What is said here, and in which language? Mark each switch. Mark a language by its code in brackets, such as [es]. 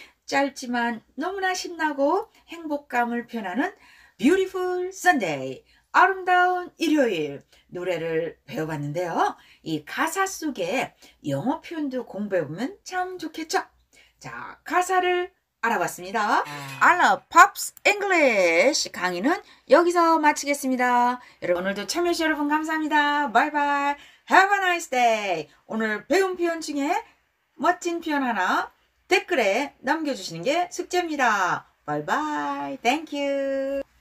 [ko] 짧지만 너무나 신나고 행복감을 표현하는 Beautiful Sunday, 아름다운 일요일 노래를 배워봤는데요. 이 가사 속에 영어 표현도 공부해보면 참 좋겠죠? 자, 가사를 알아봤습니다. I love Pops English 강의는 여기서 마치겠습니다. 여러분 오늘도 참여해주신 여러분 감사합니다. [en] Bye bye. Have a nice day. [ko] 오늘 배운 표현 중에 멋진 표현 하나 댓글에 남겨주시는 게 숙제입니다. [en] Bye bye. Thank you.